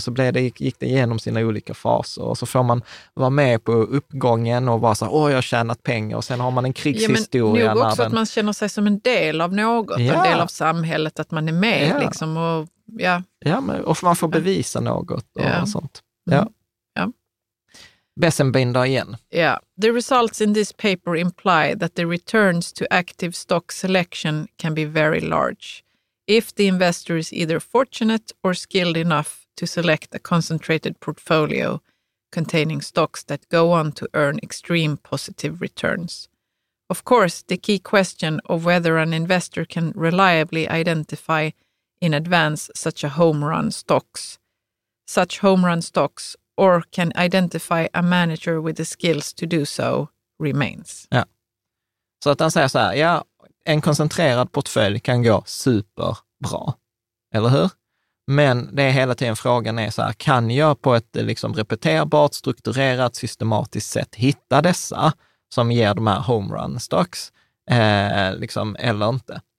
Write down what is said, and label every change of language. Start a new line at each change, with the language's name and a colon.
Swedish: Och så gick den igenom sina olika faser. Och så får man vara med på uppgången och vara så här, jag har tjänat pengar. Och sen har man en krigshistoria. Ja, men nog också att man känner sig som en del av något. Ja. En del av samhället, att man är med. Ja. Liksom, och man får bevisa något och sånt. Ja. Mm. Bessenbinder igen.
English: Yeah. The results in this paper imply that the returns to active stock selection can be very large if the investor is either fortunate or skilled enough to select a concentrated portfolio containing stocks that go on to earn extreme positive returns. Of course, the key question of whether an investor can reliably identify in advance such a home run stocks or can identify a manager with the skills to do so, remains.
Swedish: Ja. Så att han säger så här, ja, en koncentrerad portfölj kan gå superbra, eller hur? Men det är hela tiden frågan är så här, kan jag på ett liksom repeterbart, strukturerat, systematiskt sätt hitta dessa som ger de här
English: home run stocks,
Swedish: liksom, eller inte?